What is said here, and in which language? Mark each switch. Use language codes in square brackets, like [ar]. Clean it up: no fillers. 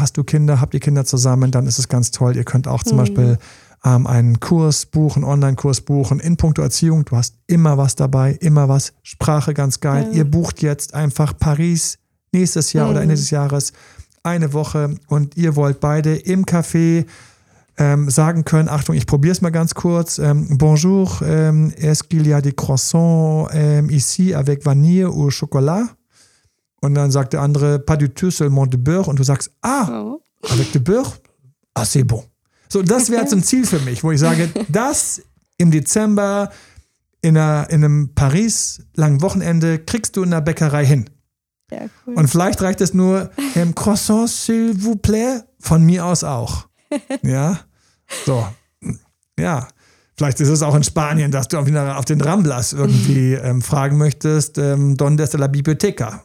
[de] Hast du Kinder, habt ihr Kinder zusammen, dann ist es ganz toll. Ihr könnt auch zum Beispiel einen Kurs buchen, einen Online-Kurs buchen in puncto Erziehung. Du hast immer was dabei, immer was. Sprache ganz geil. Ja. Ihr bucht jetzt einfach Paris nächstes Jahr oder Ende des Jahres eine Woche und ihr wollt beide im Café sagen können, Achtung, ich probiere es mal ganz kurz. [fr] Bonjour, est-ce qu'il y a des croissants ici avec vanille ou chocolat? [de] Und dann sagt der andere, [fr] pas du tout, seulement du beurre. [de] Und du sagst, [fr] avec du beurre, ah, c'est bon. [de] So, das wäre so ein Ziel für mich, wo ich sage, das im Dezember in einem Paris-langen Wochenende kriegst du in der Bäckerei hin. Ja, cool. Und vielleicht reicht es nur, [fr] croissant, s'il vous plaît, [de] von mir aus auch. Ja, so, ja. Vielleicht ist es auch in Spanien, dass du auf den Ramblas irgendwie fragen möchtest, [es] ¿Dónde está la biblioteca?